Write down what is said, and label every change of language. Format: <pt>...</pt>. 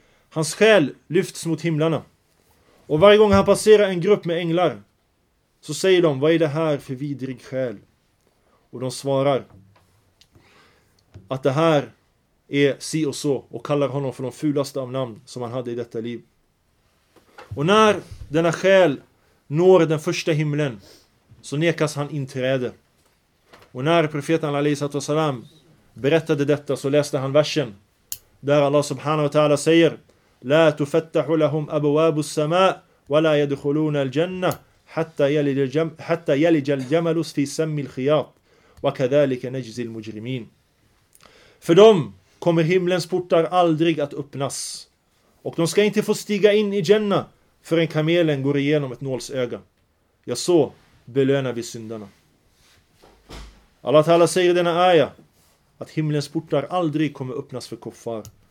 <sv>Hans själ lyfts mot himlarna. Och varje gång han passerar en grupp med änglar så säger de: vad är det här för vidrig själ? Och de svarar att det här är si och så och kallar honom för de fulaste av namn som han hade i detta liv. Och när denna själ når den första himlen så nekas han inträde. Och när profeten al-Aleyhissalam berättade detta så läste han versen där Allah subhanahu wa ta'ala säger:</sv> <ar>لا تفتح لهم أبواب السماء ولا يدخلون الجنة حتى يلج الجمل في سم الخياط وكذلك نجزي المجرمين.</ar> <sv>För dem kommer himlens portar aldrig att öppnas, och de ska inte få stiga in i Jannah förrän kamelen går igenom ett nålsöga. Ja, så belönar vi syndarna. Allah ta'ala säger i denna aya att himlens portar aldrig kommer öppnas för kuffar.</sv>